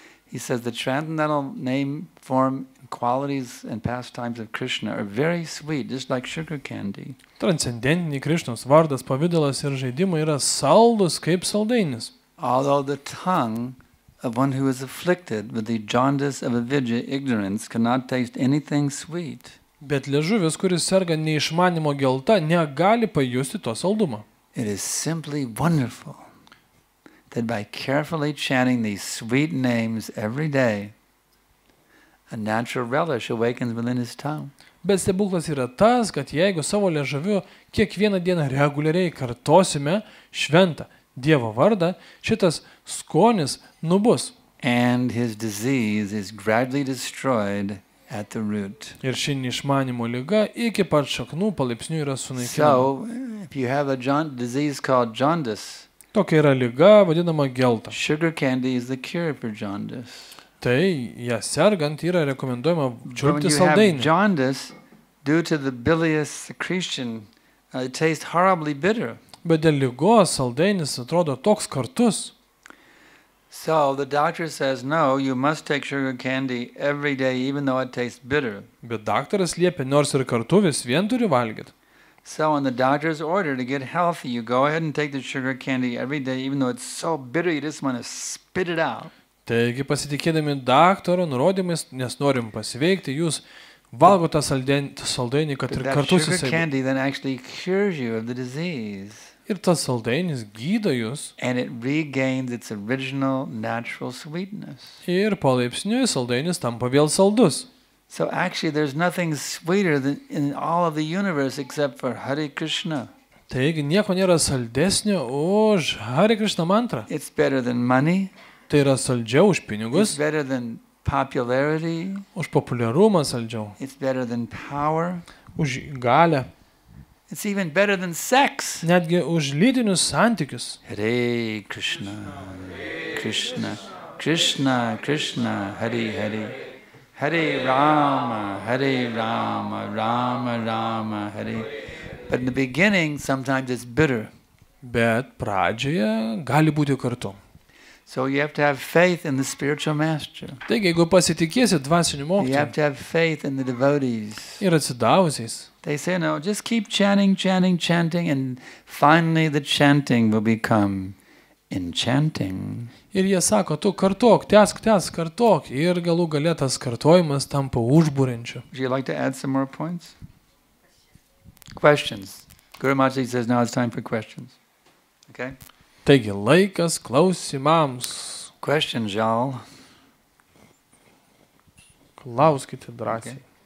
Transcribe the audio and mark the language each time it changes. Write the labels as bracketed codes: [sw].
[en] He says the transcendental name, form, qualities and pastimes of Krishna are very sweet, just like sugar candy. [lt] Transcendentinis Krishnos vardas, pavidalas ir žaidimai yra saldus kaip saldainis. [en] Although the tongue of one who is afflicted with the jaundice of avidya ignorance cannot taste anything sweet. [lt] Bet liežuvis, kuris serga neišmanimo gelta, negali pajusti to saldumo. [en] It is simply wonderful that by carefully chanting these sweet names every day, a natural relish awakens within his tongue. [lt] Bet stebuklas yra tas, kad jeigu savo liežuviu kiekvieną dieną reguliariai kartosime šventą Dievo vardą, šitas skonis nubus. [en] And his disease is gradually destroyed at the root. [lt] Ir ši neišmanimo liga iki pat šaknų palaipsniui yra sunaikinama. [en] So, if you have a disease called jaundice, [lt] tokia yra liga vadinama gelta. [en] Sugar candy is the cure for jaundice. [lt] Tai, ja sergant, yra rekomenduojama čiulpti saldainį. [en] When you have jaundice due to the bilious secretion, it tastes horribly bitter. [lt] Bet dėl ligos saldainis atrodo toks kartus. [en] So the doctor says no, you must take sugar candy every day even though it tastes bitter. [lt] Bet daktaras liepia, nors ir kartu vis vien turi valgyti. [en] So on the doctor's order to get healthy, you go ahead and take the sugar candy every day even though it's so bitter you just want to spit it out. [lt] Taigi pasitikėdami daktaro nurodymais, nes norim pasveikti, jūs valgo tą saldainį, kad ir kartu susiai. Ir tas saldainis gydo jūs. [en] And it regains its original natural sweetness. [lt] Ir palaipsniui saldainis tampa vėl saldus. [en] So actually there's nothing sweeter than in all of the universe except for Hare Krishna. [lt] Taigi nieko nėra saldesnio už Hare Krishna mantrą. [en] It's better than money. [lt] Tai yra saldžiau už pinigus. [en] It's better than popularity. [lt] Už populiarumą saldžiau. [en] It's better than power. [lt] Už galę. [en] It's even better than sex. [lt] Netgi už lytinius santykius. [sa] Hare Krishna, Krishna, Krishna, Krishna, Hare Hare. Hare Rama, Hare Rama, Rama Rama, Hare. [en] But in the beginning, sometimes it's bitter. [lt] Bet pradžioje gali būti kartu. [en] So you have to have faith in the spiritual master. [lt] Taigi, jeigu pasitikėsi dvasiniu mokytoju. [en] You have to have faith in the devotees. [lt] Ir atsidavusiais. [en] They say, no, just keep chanting, chanting, chanting, and finally the chanting will become enchanting. [lt] Ir jie sako, tu kartok, tęsk, kartok, ir galų gale tas kartojimas tampa užburiančiu. [en] Would you like to add some more points? Questions. Guru Mahārāja says, now it's time for questions. Okay? [lt] Taigi, laikas klausimams. [en] Question, Jal. [lt] Klauskite drąsiai.